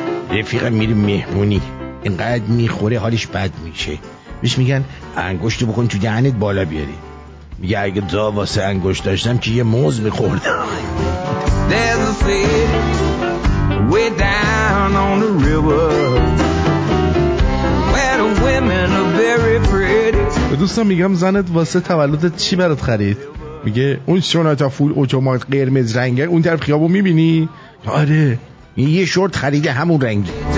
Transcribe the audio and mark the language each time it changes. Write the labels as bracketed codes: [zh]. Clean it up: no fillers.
[fa] رفیقم میری مهمونی، اینقدر میخوره حالش بد میشه، بهش میگن انگشتو بکن تو دهنت بالا بیاری، میگه اگه دا واسه انگشت داشتم که یه موز میخوردم. [en] There's a city way down on the river where the women are very pretty. [fa] دوستان میگم زنت واسه تولدت چی برات خرید؟ میگه اون سوناتا فول اتومات قرمز رنگه اون طرف خیابو میبینی؟ آره، یه شورت خریده همون رنگی.